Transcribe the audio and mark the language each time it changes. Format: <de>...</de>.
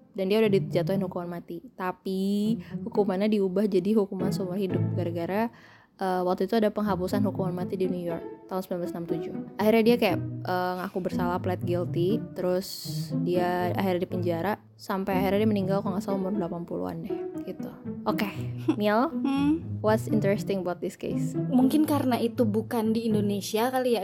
<id>Dan dia udah dijatuhin hukuman mati. Tapi hukumannya diubah jadi hukuman seumur hidup. Gara-gara waktu itu ada penghapusan hukuman mati di New York tahun 1967. Akhirnya dia kayak ngaku bersalah, plead guilty. Terus dia akhirnya di penjara. Sampai akhirnya dia meninggal kalau gak salah umur 80-an deh. Gitu. Oke, okay.</id> <en>Mil, what's interesting about this case?</en> <id>Mungkin karena itu bukan di Indonesia kali ya.</id>